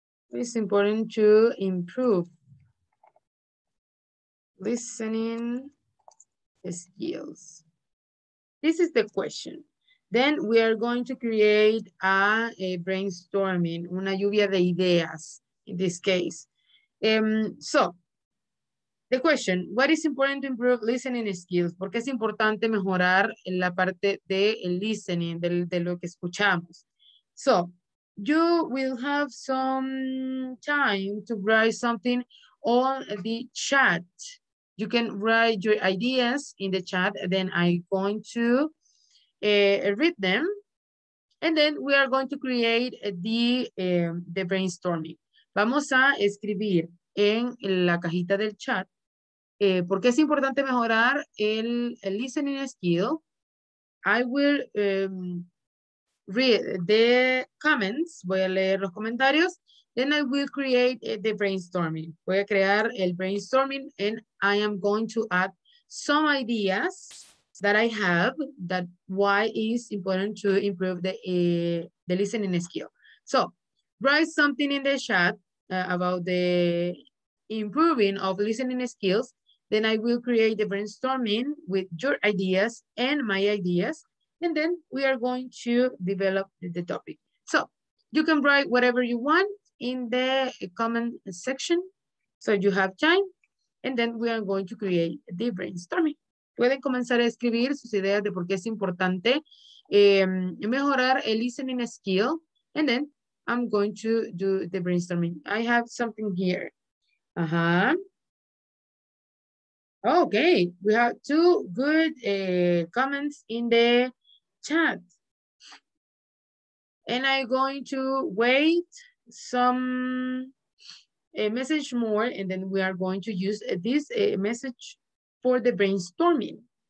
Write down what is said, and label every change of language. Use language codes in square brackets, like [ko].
[en] It's important to improve listening skills. This is the question. Then we are going to create a brainstorming, [es] una lluvia de ideas [en] in this case. So the question, what is important to improve listening skills? [es] ¿Por qué es importante mejorar en la parte de el listening, de lo que escuchamos? [en] So you will have some time to write something on the chat. You can write your ideas in the chat, then I'm going to read them. And then we are going to create the brainstorming. [es] Vamos a escribir en la cajita del chat. ¿Por qué es importante mejorar el listening skill? [en] I will read the comments. [es] Voy a leer los comentarios. [en] Then I will create the brainstorming. [es] Voy a crear el brainstorming, [en] and I am going to add some ideas that I have that why is important to improve the listening skill. So write something in the chat about the improving of listening skills. Then I will create a brainstorming with your ideas and my ideas. And then we are going to develop the topic. So you can write whatever you want in the comment section. So you have time. And then we are going to create the brainstorming. [es] Pueden comenzar a escribir sus ideas de por qué es importante mejorar el listening skill. [en] And then I'm going to do the brainstorming. I have something here. Uh-huh. Okay, we have two good comments in the chat. And I'm going to wait some message more, and then we are going to use this message for the brainstorming.